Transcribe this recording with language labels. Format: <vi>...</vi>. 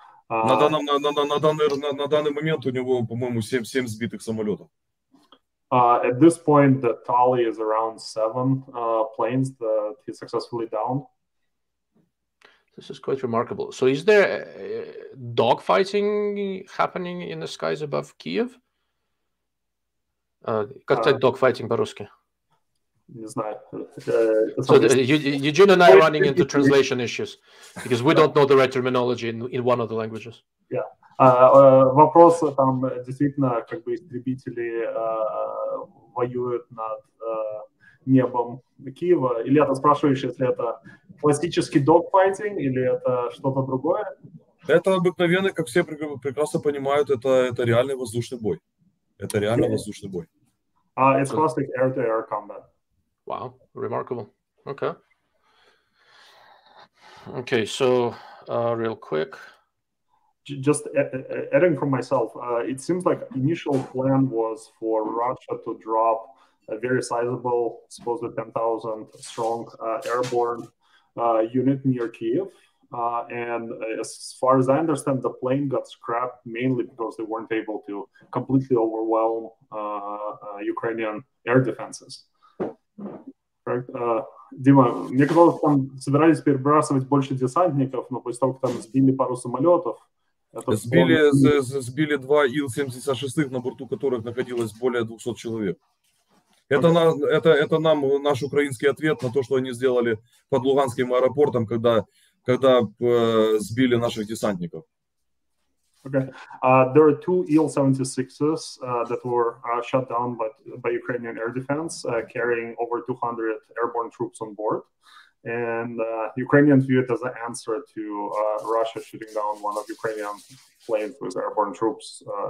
<ru>На данный момент у него, по-моему, 7 сбитых самолетов.</ru> <en>At this point, the tally is around 7 planes that he successfully downed. This is quite remarkable. So is there dogfighting happening in the skies above Kiev?</en> <ru>Как сказать dogfighting по-русски? Не знаю.</ru> <en>Eugene and I are running into translation issues, because we don't know the right terminology in one of the languages. Yeah.</en> <ru>Вопрос там действительно, как бы истребители воюют над небом Киева, или это спрашиваешь, если это классический dogfighting, или это что-то другое? Это обыкновенный, как все прекрасно понимают, это реальный воздушный бой. Это реально воздушный бой.</ru> <en>It's classic air-to-air combat. Wow, remarkable. Okay. Okay, so real quick. just adding from myself, it seems like initial plan was for Russia to drop a very sizable, supposedly 10,000 strong airborne unit near Kyiv. And as far as I understand, the plane got scrapped mainly because they weren't able to completely overwhelm Ukrainian air defenses. Correct?</en> <ru>Дима, мне казалось, там собирались перебрасывать больше десантников, но после того, как там сбили пару самолетов, сбили два Ил-76, на борту которых находилось более 200 человек. Это, на, это нам наш украинский ответ на то, что они сделали под Луганским аэропортом, когда, сбили наших десантников.</ru> <en>Okay. There are two Il-76s that were shut down by Ukrainian air defense, carrying over 200 airborne troops on board. And Ukrainians view it as an answer to Russia shooting down one of Ukrainian planes with airborne troops</en>